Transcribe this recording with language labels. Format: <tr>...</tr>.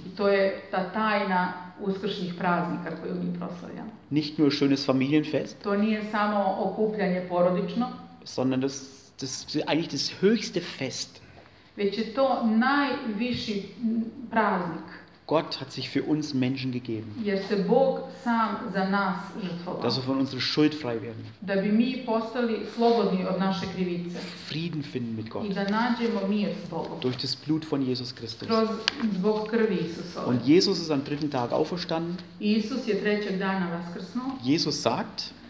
<sr>To je ta tajna uskršnjih praznika koju mi proslavljamo.</sr> <de>Nicht nur schönes Familienfest.</de> <sr>To nije samo okupljanje porodično.</sr> <de>Sondern das ist eigentlich das höchste Fest.</de> <sr>Već je to najviši praznik.</sr> <de>Gott hat sich für uns Menschen gegeben.</de> <sr>Jer se Bog sam za nas žrtvovao.</sr> <de>Dass wir von unserer Schuld frei werden.</de> <sr>Da bi mi postali slobodni od naše krivice.</sr> <de>Frieden finden mit Gott.</de> <sr>I da nađemo mir s Bogom.</sr> <de>Durch das Blut von Jesus Christus.</de> <sr>Zbog krvi Isusove.</sr> <de>Und Jesus ist am dritten Tag auferstanden.</de> <sr>Isus je trećeg dana vaskrsnuo.</sr> <de>Jesus sagt,</de>